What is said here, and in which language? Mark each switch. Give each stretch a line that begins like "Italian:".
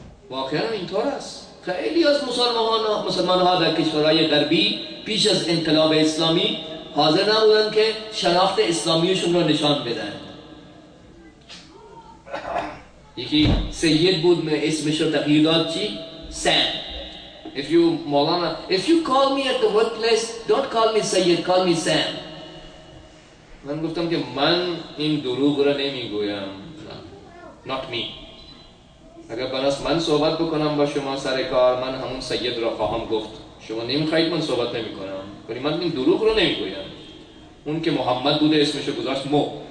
Persian: واقعا اینطور است. خیلی از مسلمان ها در کشورهای غربی پیش از انقلاب اسلامی حاضر نبودن که شناخت اسلامیشون رو نشان بدن. یکی سید بود، اسمش رو تغییر داد. چی؟ سام.
English: If you Maulana, if you call me at the workplace, don't call me Sayyid, call me Sam.
Persian: من گفتم که من این دروغ را نمیگویم.
English: Not me.
Persian: اگر بناس من صحبت بکنم با شما سر کار، من همون سید را خواهم گفت. شما نمیخواید من صحبت نمیکنم. ولی من این دروغ را نمیگویم. اون که محمد بوده اسمش گذاشت مو.